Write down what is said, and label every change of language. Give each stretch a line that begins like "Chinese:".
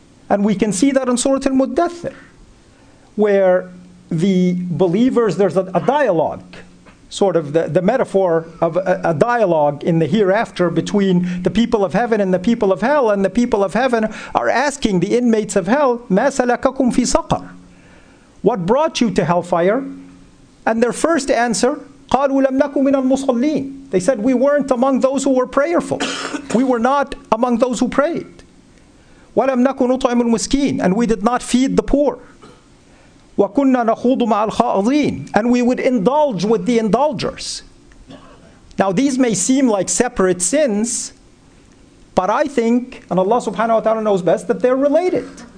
English: And we can see that in Surah Al-Muddathir, where the believers, there's a dialogue, sort of the metaphor of a dialogue in the hereafter between the people of heaven and the people of hell, and the people of heaven are asking the inmates of hell,
Arabic: مَا سَلَكَكُمْ فِي سَقَرْ?
English: What brought you to hellfire? And their first answer,
Arabic: قَالُوا لَمْ نَكُمْ مِنَ الْمُصَلِّينَ.
English: They said, we weren't among those who were prayerful. We were not among those who prayed.
Arabic: وَلَمْ نَكُمْ نُطْعِمُ الْمُسْكِينَ.
English: And we did not feed the poor.
Arabic: وَكُنَّا نَخُوضُ مَعَ الْخَائِضِينَ.
English: And we would indulge with the indulgers. Now these may seem like separate sins, but I think, and Allah subhanahu wa ta'ala knows best, that they're related.